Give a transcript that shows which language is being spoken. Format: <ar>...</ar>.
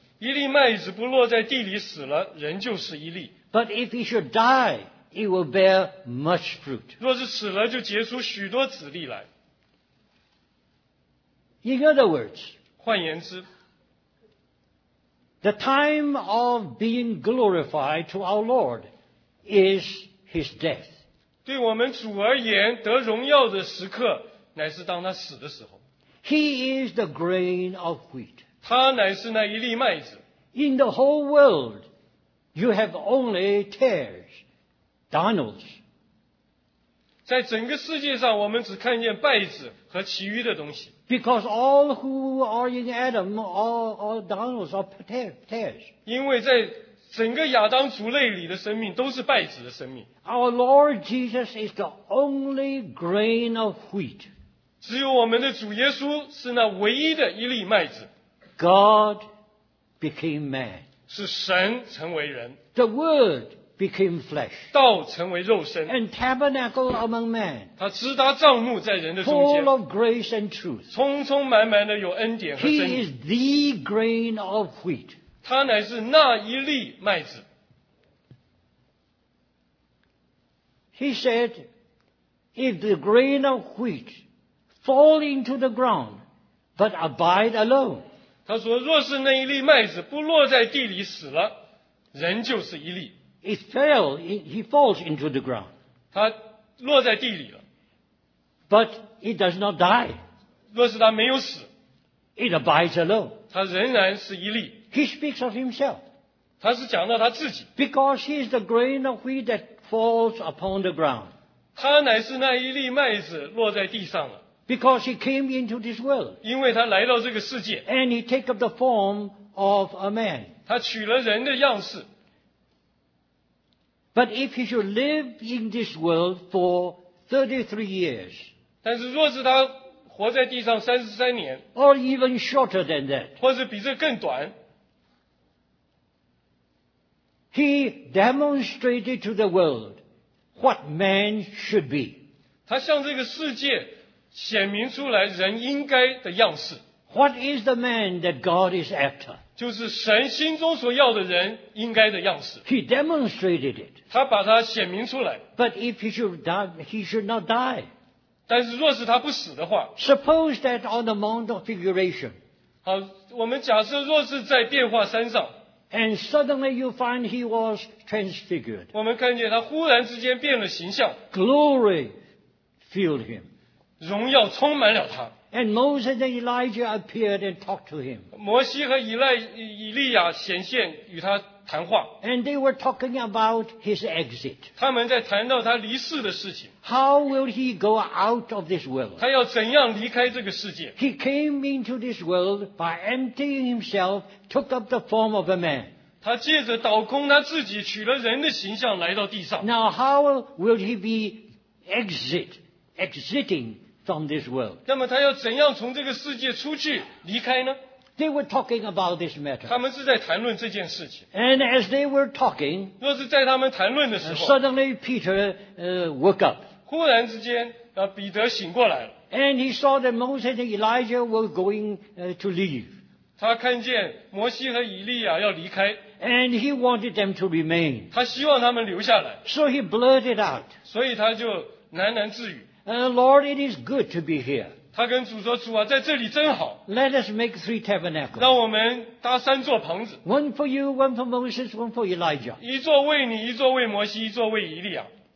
<zh>一粒麦子不落在地里死了，人就是一粒。</zh> <en>But if he should die, it will bear much fruit.</en> <zh>若是死了，就结出许多子粒来。</zh> <en>In other words,</en> <zh>换言之,</zh> <en>the time of being glorified to our Lord is His death.</en> <zh>对我们主而言,得荣耀的时刻乃是当他死的时候。</zh> <en>He is the grain of wheat.</en> <zh>他乃是那一粒麦子。</zh> <en>In the whole world, you have only tares, darnels.</en> <zh>在整个世界上我们只看见败子和其余的东西。</zh> <en>Because all who are in Adam are darnels or tares.</en> <zh>因为在整个亚当族类里的生命都是败子的生命。</zh> <en>Our Lord Jesus is the only grain of wheat.</en> <zh>只有我们的主耶稣是那唯一的一粒麦子。</zh> <en>God became man.</en> <zh>是神成为人。</zh> <en>The Word became flesh.</en> <zh>道成为肉身。</zh> <en>And tabernacle among men.</en> <zh>他支搭帐幕在人的中间。</zh> <en>Full of grace and truth.</en> <zh>充充满满的有恩典和真理。</zh> <en>He is the grain of wheat.</en> <zh>他乃是那一粒麦子。</zh> <en>He said, if the grain of wheat fall into the ground, but abide alone.</en> <zh>他说若是那一粒麦子不落在地里死了，人就是一粒。</zh> <en>It fell, he falls into the ground.</en> <zh>他落在地里了。</zh> <en>But it does not die.</en> <zh>若是他没有死。</zh> <en>It abides alone.</en> <zh>他仍然是一粒。</zh> <en>He speaks of himself.</en> <zh>他是讲到他自己。</zh> <en>Because he is the grain of wheat that falls upon the ground.</en> <zh>他乃是那一粒麦子落在地上了。</zh> <en>Because he came into this world.</en> <zh>因为他来到这个世界。</zh> <en>And he take up the form of a man.</en> <zh>他取了人的样式。</zh> <en>But if he should live in this world for 33 years,</en> <zh>但是若是他活在地上33年,</zh> <en>or even shorter than that,</en> <zh>或是比这更短,</zh> <en>he demonstrated to the world what man should be.</en> <zh>他向这个世界显明出来人应该的样式。</zh> <en>What is the man that God is after?</en> <zh>就是神心中所要的人应该的样式。</zh> <en>He demonstrated it.</en> <zh>他把它显明出来。</zh> <en>But if he should die, he should not die.</en> <zh>但是若是他不死的话。</zh> <en>Suppose that on the Mount of Figuration.</en> <zh>好，我们假设若是在变化山上。</zh> <en>And suddenly you find he was transfigured.</en> <zh>我们看见他忽然之间变了形象。</zh> <en>Glory filled him.</en> <zh>荣耀充满了他。</zh> <en>And Moses and Elijah appeared and talked to him.</en> <zh>摩西和以利亚显现与他谈话。</zh> <en>And they were talking about his exit.</en> <zh>他们在谈到他离世的事情。</zh> <en>How will he go out of this world?</en> <zh>他要怎样离开这个世界?</zh> <en>He came into this world by emptying himself, took up the form of a man.</en> <zh>他借着倒空他自己取了人的形象来到地上。</zh> <en>Now how will he be exiting? From this world.</en> <zh>那么他要怎样从这个世界出去离开呢?</zh> <en>They were talking about this matter.</en> <zh>他们是在谈论这件事情。</zh> <en>And as they were talking,</en> <zh>若是在他们谈论的时候,</zh> <en>suddenly Peter, woke up.</en> <zh>忽然之间, 彼得醒过来了。</zh> <en>And he saw that Moses and Elijah were going, to leave.</en> <zh>他看见摩西和以利亚要离开。</zh> <en>And he wanted them to remain.</en> <zh>他希望他们留下来。</zh> <en>So he blurted out.</en> <zh>所以他就喃喃自语。</zh> <en>Lord, it is good to be here.</en> <zh>他跟主说，主啊，在这里真好。</zh> <en>Let us make 3 tabernacles.</en> <zh>让我们搭三座棚子。</zh> <en>One for you, one for Moses, one for Elijah.</en> <zh>一座为你，一座为摩西，一座为以利亚。</zh>